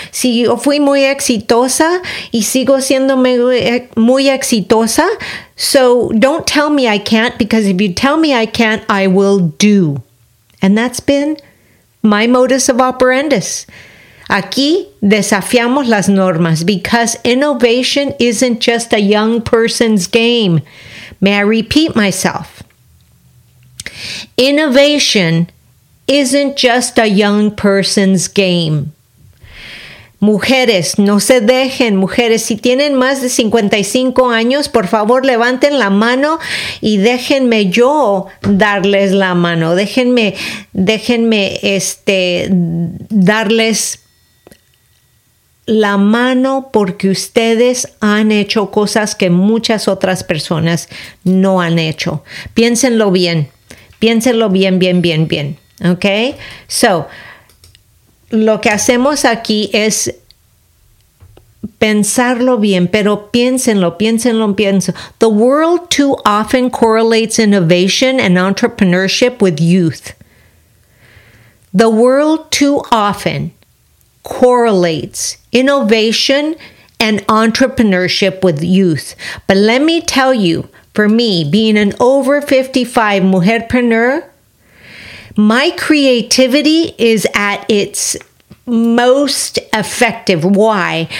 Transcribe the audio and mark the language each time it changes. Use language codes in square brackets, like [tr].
[es] Si yo fui muy exitosa y sigo siendo muy exitosa. [en] So don't tell me I can't, because if you tell me I can't, I will do. And that's been my modus of operandus. [es] Aquí desafiamos las normas, [en] because innovation isn't just a young person's game. May I repeat myself? Innovation isn't just a young person's game. [es] Mujeres, no se dejen. Mujeres, si tienen más de 55 años, por favor, levanten la mano y déjenme yo darles la mano. Déjenme darles la mano, porque ustedes han hecho cosas que muchas otras personas no han hecho. Piénsenlo bien. Piénselo bien, bien, bien, bien. [en] Okay? So, [es] lo que hacemos aquí es pensarlo bien, pero piénsenlo, piénsenlo, piénsenlo. [en] The world too often correlates innovation and entrepreneurship with youth. The world too often correlates innovation and entrepreneurship with youth. But let me tell you, for me, being an over 55 mujerpreneur, my creativity is at its most effective. Why?